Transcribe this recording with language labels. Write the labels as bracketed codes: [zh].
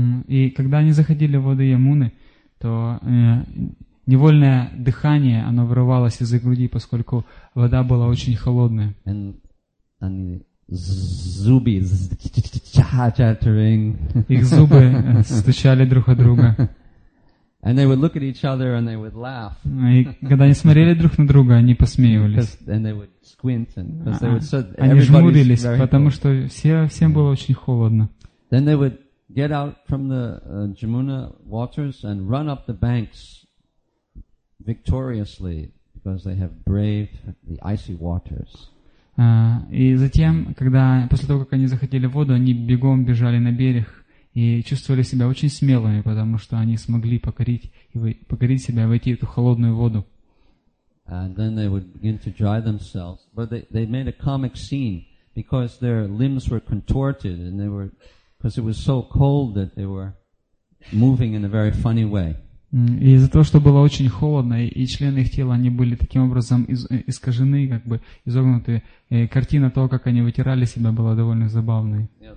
[ru] И когда они заходили в воды Ямуны, то невольное дыхание, оно вырывалось из-за груди, поскольку вода была очень холодная. [en] And [ru] зубы [en] chattering. [ru] Их зубы стучали друг о друга. [en] And they would look at each other and they would laugh. [ru] И когда они смотрели друг на друга, они посмеивались. [en] And they would squint, because they would so. [ru] Они жмурились, потому что всем было очень холодно. [en] Then they would get out from the Jamuna waters and run up the banks victoriously, because they have braved the icy waters. [ru] И затем, когда после того, как они заходили в воду, они бегом бежали на берег. И чувствовали себя очень смелыми, потому что они смогли покорить себя, войти в эту холодную воду. [en] And then they would begin to dry themselves. But they made a comic scene, because their limbs were contorted, and they were, because it was so cold that they were moving in a very funny way. [ru] И из-за того, что было очень холодно, и члены их тела, они были таким образом искажены, как бы изогнуты. И картина того, как они вытирали себя, была довольно забавной.